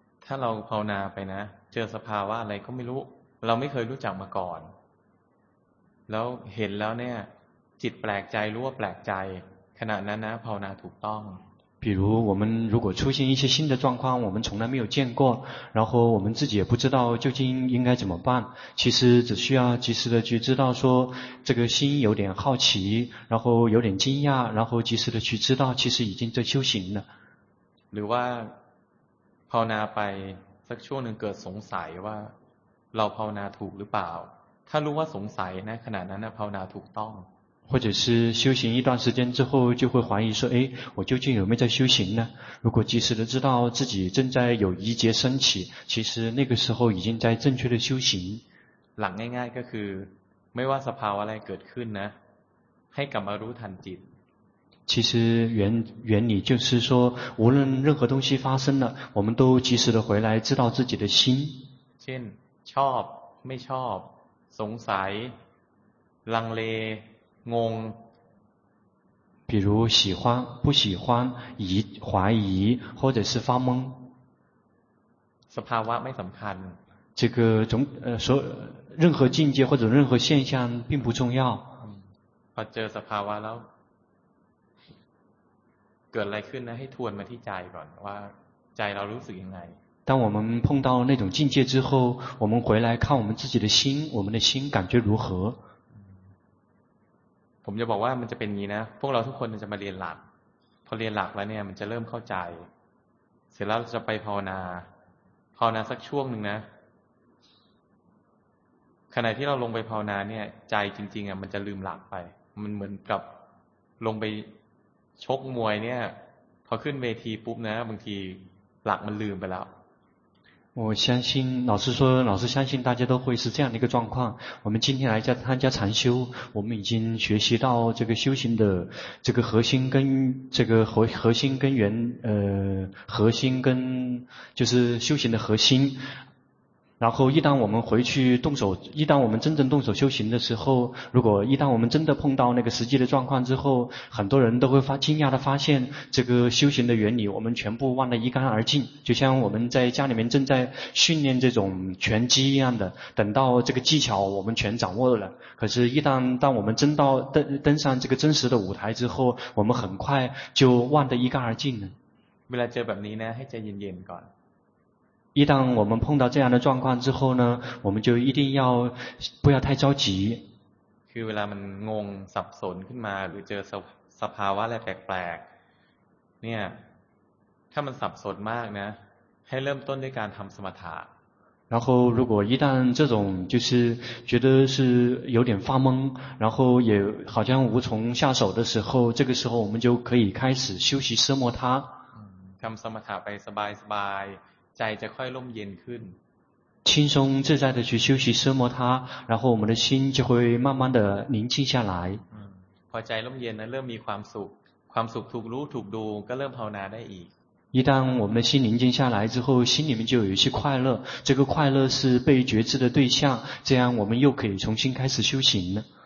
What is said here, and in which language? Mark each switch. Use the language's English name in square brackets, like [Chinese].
[Thai] ถ้าเราภาวนาไปนะเจอสภาวะอะไรก็ไม่รู้เราไม่เคยรู้จักมาก่อนแล้วเห็นแล้วเนี่ยจิตแปลกใจรู้ว่าแปลกใจขณะนั้นนะภาวนาถูกต้อง [Chinese] 比如我们如果出现一些新的状况我们从来没有见过然后我们自己也不知道究竟应该怎么办其实只需要及时的去知道说这个心有点好奇然后有点惊讶然后及时的去知道其实已经在修行了 [Thai] หรือว่าภาวนาไปสักช่วงหนึ่งเกิดสงสัยว่าเราภาวนาถูกหรือเปล่าถ้ารู้ว่าสงสัยนะขณะนั้นภาวนาถูกต้อง [Chinese] 或者是修行一段时间之后就会怀疑说诶我究竟有没有在修行呢如果及时的知道自己正在有疑结升起其实那个时候已经在正确的修行 [Thai] หลักง่ายๆก็คือไม่ว่าสภาวะอะไรเกิดขึ้นนะให้กลับมารู้ทันจิต [Chinese] 其实原理就是说无论任何东西发生了我们都及时的回来知道自己的心 [Thai] เช่นชอบไม่ชอบสงสัยลังเลงง [Chinese] 比如喜欢不喜欢疑怀疑或者是发懵 [Thai] สภาวะไม่สำคัญ [Chinese] 这个总所任何境界或者任何现象并不重要 [Thai] พอเจอสภาวะแล้วเกิดอะไรขึ้นนะให้ทวนมาที่ใจก่อนว่าใจเรารู้สึกยังไง [Chinese] 当我们碰到那种境界之后我们回来看我们自己的心我们的心感觉如何 [Thai] ผมจะบอกว่ามันจะเป็นงี้นะพวกเราทุกคนจะมาเรียนหลักพอเรียนหลักแล้วเนี่ยมันจะเริ่มเข้าใจเสร็จแล้วจะไปภาวนาภาวนาสักช่วงนึงนะขณะที่เราลงไปภาวนาเนี่ยใจจริงๆอ่ะมันจะลืมหลักไปมันเหมือนกับลงไปชกมวยเนี่ยพอขึ้นเวทีปุ๊บนะบางทีหลักมันลืมไปแล้ว [Chinese] 我相信老师说老师相信大家都会是这样的一个状况我们今天来参加禅修我们已经学习到这个修行的这个核心跟这个核心根源核心跟就是修行的核心然后一旦我们回去动手，一旦我们真正动手修行的时候，如果一旦我们真的碰到那个实际的状况之后，很多人都会发惊讶的发现，这个修行的原理我们全部忘得一干二净。就像我们在家里面正在训练这种拳击一样的，等到这个技巧我们全掌握了，可是一旦当我们真到登上这个真实的舞台之后，我们很快就忘得一干二净了。 [Thai] เวลาเจอแบบนี้นะให้ใจเย็นๆก่อน。 [Chinese] 一旦我们碰到这样的状况之后呢，我们就一定要不要太着急。 [Thai] คือเวลามันงงสับสนขึ้นมาหรือเจอสภาวะอะไรแปลกๆเนี่ยถ้ามันสับสนมากนะให้เริ่มต้นด้วยการทำสมถะ [Chinese] 然后如果一旦这种就是觉得是有点发懵，然后也好像无从下手的时候，这个时候我们就可以开始修习奢摩他。 [Thai] ทำสมถะไปสบายสบายใจจะค่อยร่มเย็นขึ้น [Chinese] 轻松自在的去休息奢摩他，然后我们的心就会慢慢的宁静下来。 [Thai] พอใจร่มเย็นนะเริ่มมีความสุขความสุขถูกรู้ถูกดูก็เริ่มภาวนาได้อีก [Chinese] 一旦我们的心宁静下来之后，心里面就有一些快乐，这个快乐是被觉知的对象，这样我们又可以重新开始修行了。